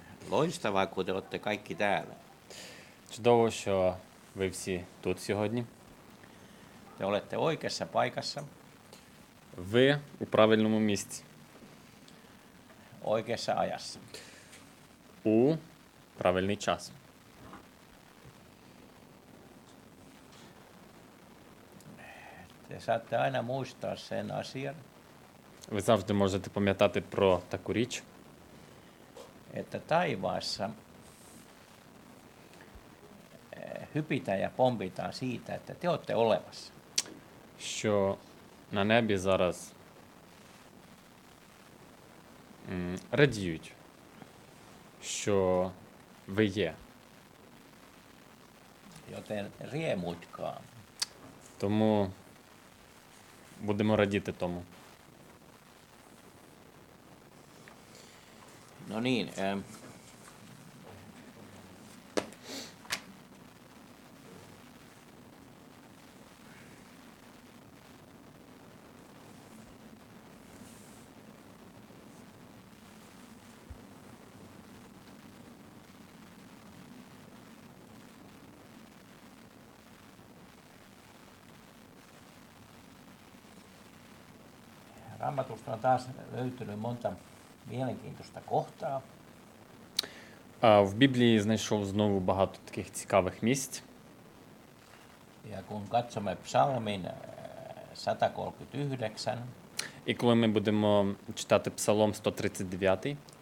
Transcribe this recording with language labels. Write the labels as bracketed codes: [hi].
[fi] Loistavaa, kun te olette kaikki täällä. [uk] Чудово, що ви всі тут сьогодні. [fi] Te olette oikeassa paikassa. [uk] Ви у правильному місці. [fi] Oikeassa ajassa. [uk] У правильний час. [fi] Te saatte aina muistaa sen asian. [uk] Ви завжди можете пам'ятати про таку річ. [fi] Että taivaassa hypitään ja pompitaan siitä, että te olette olemassa. [uk] Що на небі зараз радіють, що ви є. [fi] Joten riemuitkaa. [uk] Тому будемо радіти тому. [fi] No niin. Raamatusta on taas löytynyt monta mielenkiintoista kohtaa. [uk] В Біблії знайшов знову багато таких цікавих місць. [fi] Ja kun katsomme psalmin 139. [uk] І коли ми будемо читати псалом 139.